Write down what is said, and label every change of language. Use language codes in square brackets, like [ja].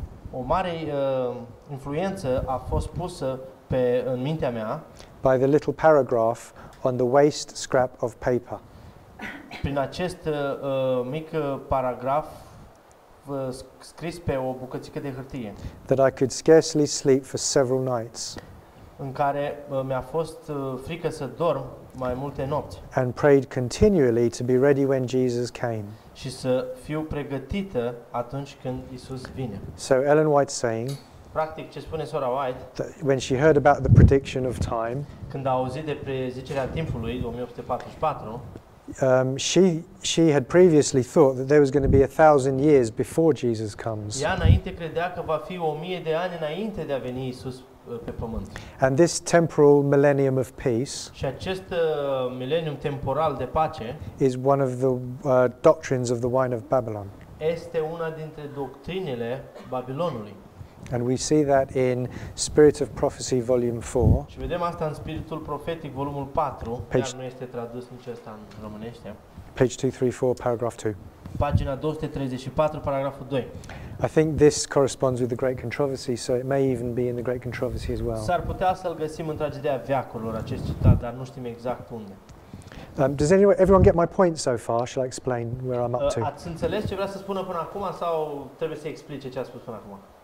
[ro] O mare influență a fost pusă în mintea mea [en] by the little paragraph on the waste scrap of paper. [ro] Prin acest mic paragraf scris pe o bucățică de hârtie. [en] That I could scarcely sleep for several nights. [ro] În care mi-a fost frică să dorm mai multe nopți. [en] And prayed continually to be ready when Jesus came. [ro] Și să fiu pregătită atunci când Isus vine. [en] So Ellen White saying, [ro] practic ce spune sora White, [en] when she heard about the prediction of time, [ro] când a auzit de prezicerea timpului 1844, [en] she had previously thought that there was going to be 1,000 years before Jesus comes. [ro] Ea înainte credea că va fi 1000 de ani înainte de a veni Isus pe pământ. [en] And this temporal millennium of peace, [ro] și acest mileniu temporal de pace, [en] is one of the doctrines of the wine of Babylon. [ro] Este una dintre doctrinele Babilonului. [en] And we see that in Spirit of Prophecy volume 4. [ro] Și vedem asta în Spiritul Profetic volumul 4, care nu este tradus nici asta în românește. [en] Page 234 paragraph 2. [ro] Pagina 234 paragraful 2. [en] I think this corresponds with the Great Controversy, so it may even be in the Great Controversy as well. [ro] S-ar putea să-l găsim în Tragedia Veacurilor acest citat, dar nu știm exact unde. [en] Does everyone get my point so far? Shall I explain where I'm up to? [ro] Ați înțeles ce vrea să spună până acum sau trebuie să explice ce a spus până acum?